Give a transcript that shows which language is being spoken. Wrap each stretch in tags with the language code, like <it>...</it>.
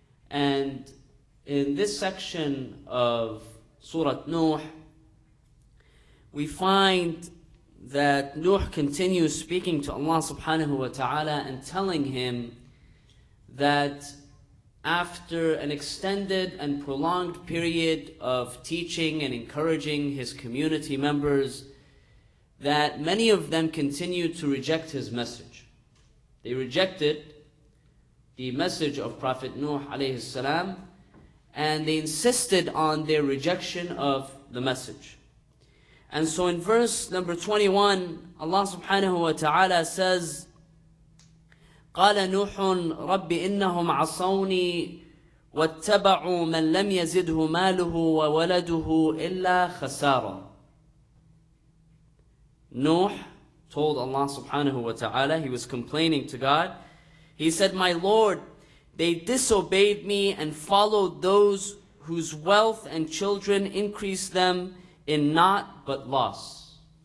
<en>And in this section of Surah Nuh, we find that Nuh continues speaking to Allah subhanahu wa ta'ala and telling him that after an extended and prolonged period of teaching and encouraging his community members, that many of them continue to reject his message. They rejected the message of Prophet Nuh alayhi salam, and they insisted on their rejection of the message. And so in verse number 21, Allah subhanahu wa ta'ala says,</en> <ar>قَالَ نُوحٌ رَبِّ إِنَّهُمْ عَصَوْنِي وَاتَّبَعُوا مَنْ لَمْ يَزِدْهُ مَالُهُ وَوَلَدُهُ إِلَّا خَسَارًا.</ar> <en>Nuh told Allah subhanahu wa ta'ala, he was complaining to God. He said, my Lord, they disobeyed me and followed those whose wealth and children increased them in naught but loss.</en>